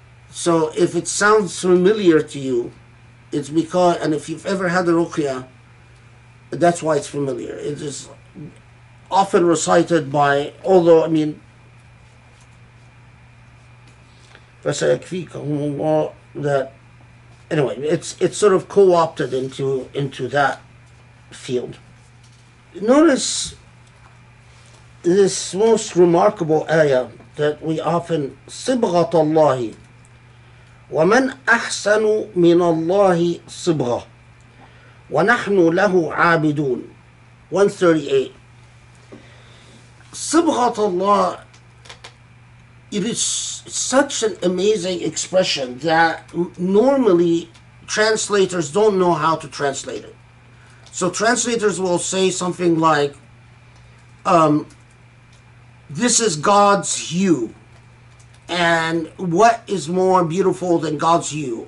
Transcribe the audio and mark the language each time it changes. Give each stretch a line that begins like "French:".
English: So if it sounds familiar to you, it's because, and if you've ever had a ruqya, that's why it's familiar. It is often recited by, although, I mean, that, anyway, it's sort of co-opted into that field. Notice this most remarkable ayah that we often,
Arabic: صِبْغَةَ اللَّهِ وَمَنْ أَحْسَنُ مِنَ اللَّهِ صِبْغَةً وَنَحْنُ لَهُ عَابِدُونَ 138.
English: صبغت الله, it is such an amazing expression that normally translators don't know how to translate it. So translators will say something like, this is God's hue, and what is more beautiful than God's hue?